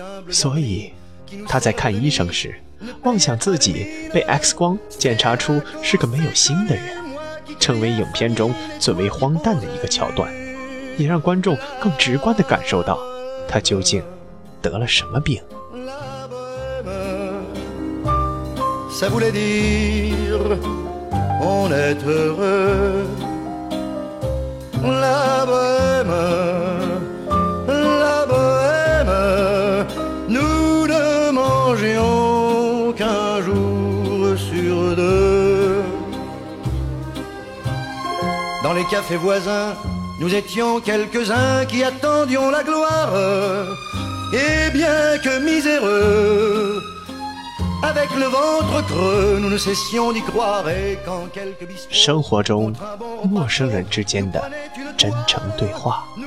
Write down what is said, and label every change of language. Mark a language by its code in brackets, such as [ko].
[zh] 所以他在看医生时妄想自己被 X 光检查出是个没有心的人，成为影片中最为荒诞的一个桥段，也让观众更直观地感受到他究竟得了什么病。 [fr] La bohème, ça voulait dire on est heureux. La bohème, la bohème, nous ne mangeons qu'un jour sur deux. Dans les cafés voisins, nous étions quelques-uns qui attendions la gloire. Et bien que miséreux, avec le ventre creux, nous ne cessions d'y croire. Et quand quelques biscuits, [zh] 生活中陌生人之间的真诚对话。